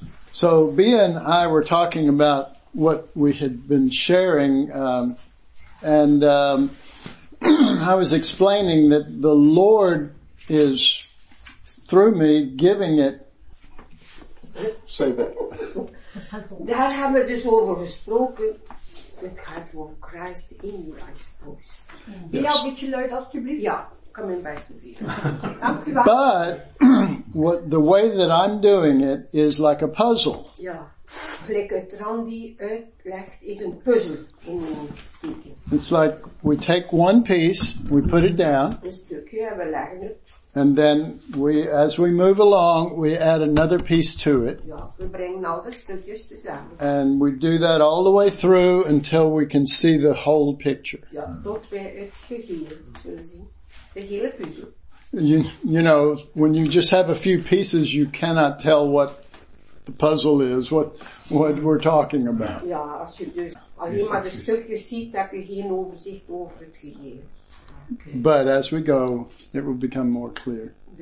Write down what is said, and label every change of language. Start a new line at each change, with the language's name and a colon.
English: So B and I were talking about what we had been sharing, I was explaining that the Lord is, through me, giving it.
Dutch: Daar hebben we dus over gesproken. Het gaat over
English: Christ in you, I suppose.
Dutch: Wil je een beetje luid alstublieft? Ja, kom in bij studie. Dank u wel.
English: But what, the way that I'm doing it is like a puzzle.
Dutch: Ja, gelijk het Randy uitlegt is een puzzel in mijn steken.
English: It's like we take one piece, we put it down.
Dutch: Een stukje en we leggen het.
English: And then we, as we move along, we add another piece to it.
Dutch: Ja, we brengen al de stukjes tezamen.
English: And we do that all the way through until we can see the whole picture.
Dutch: Ja, tot we het geheel zullen zien. De hele puzzel.
English: You know, when you just have a few pieces, you cannot tell what the puzzle is, what we're talking about.
Dutch: Ja, als je dus alleen maar de stukjes ziet, heb je geen overzicht over het geheel.
English: Okay. But as we go, it will become more clear.